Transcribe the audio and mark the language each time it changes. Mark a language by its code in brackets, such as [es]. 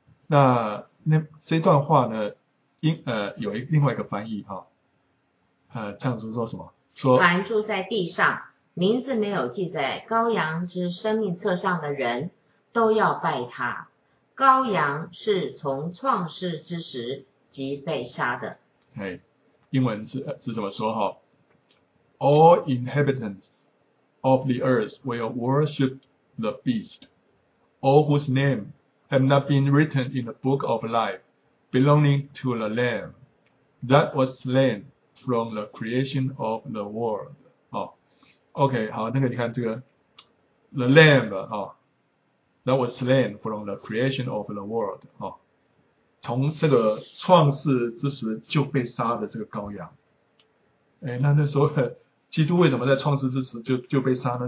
[zh] 那这段话呢，有另外一个翻译，这样子说什么？说凡住在地上，名字没有记在羔羊之生命册上的人，都要拜他。羔羊是从创世之时即被杀的。英文 是怎么说？ [en] All inhabitants of the earth will worship the beast. All whose name have not been written in the book of life belonging to the lamb that was slain from the creation of the world. [zh] OK, 好，那个你看这个 [en] the lamb, that was slain from the creation of the world, [zh] 从这个创世之时就被杀的这个羔羊。那时候基督为什么在创世之时 就被杀呢？